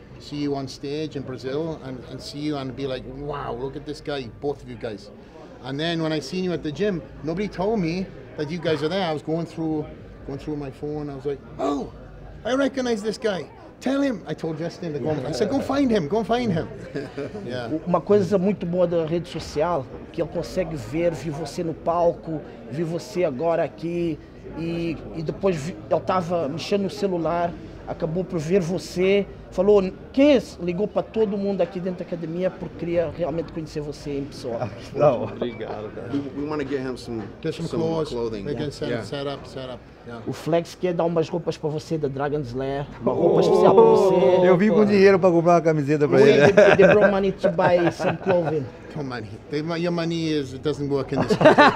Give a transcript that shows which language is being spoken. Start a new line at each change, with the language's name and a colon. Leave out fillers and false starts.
English: see you on stage in Brazil and see you and be like, wow, look at this guy, both of you guys. And then when I seen you at the gym, nobody told me that you guys are there. I was going through my phone. I was like, oh, I recognize this guy. Tell him. I told Justin to go. I said, go find him. Yeah.
Portuguese: Uma coisa muito boa da rede social, que eu consegue ver, vi você no palco, vi você agora aqui, e depois vi, eu estava mexendo no celular, acabou por ver você, falou, que isso? Ligou para todo mundo aqui dentro da academia porque queria realmente conhecer você em pessoa. Não, obrigado.
English: We want to get him some clothes, clothing. Yeah. Set up. Yeah.
Portuguese: O Flex quer dar umas roupas para você da Dragon's Lair, uma roupa especial para você. Eu vim com dinheiro para comprar uma camiseta para ele.
English: They brought money to buy some clothing. Money. Your money is, it doesn't work in this country.